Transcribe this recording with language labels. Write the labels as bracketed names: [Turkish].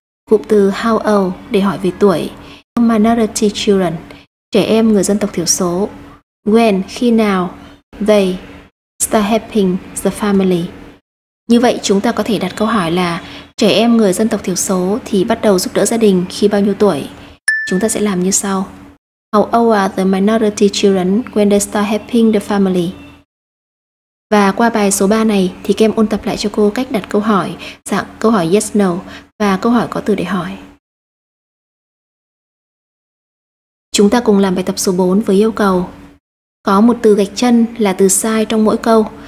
[Vietnamese] cụm từ [English] how old [Vietnamese] để hỏi về tuổi, [English] minority children, [Vietnamese] trẻ em người dân tộc thiểu số, when, khi nào, [English] they start helping the family. [Vietnamese] Như vậy chúng ta có thể đặt câu hỏi là trẻ em người dân tộc thiểu số thì bắt đầu giúp đỡ gia đình khi bao nhiêu tuổi? Chúng ta sẽ làm như sau. [English] How old are the minority children when they start helping the family? [Vietnamese] Và qua bài số 3 này thì các em ôn tập lại cho cô cách đặt câu hỏi dạng câu hỏi yes, no và câu hỏi có từ để hỏi. Chúng ta cùng làm bài tập số 4 với yêu cầu. Có một từ gạch chân là từ sai trong mỗi câu.